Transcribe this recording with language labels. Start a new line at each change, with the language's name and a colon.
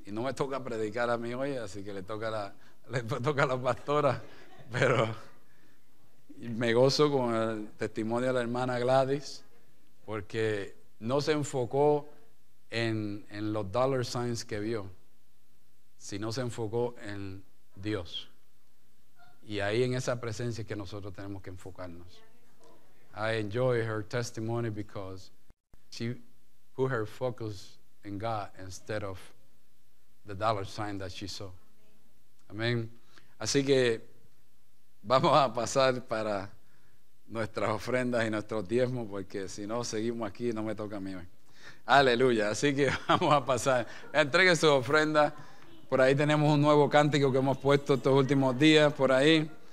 Spanish: Y no me toca predicar a mí hoy, así que le toca a la pastora, pero me gozo con el testimonio de la hermana Gladys, porque no se enfocó en los dollar signs que vio, sino se enfocó en Dios. Y ahí en esa presencia es que nosotros tenemos que enfocarnos.
English: I enjoy her testimony because she put her focus in God instead of the dollar sign that she saw.
Spanish: Amén. Así que vamos a pasar para nuestras ofrendas y nuestros diezmos, porque si no seguimos aquí no me toca a mí. Aleluya. Así que vamos a pasar. Entregue su ofrenda. Por ahí tenemos un nuevo cántico que hemos puesto estos últimos días por ahí.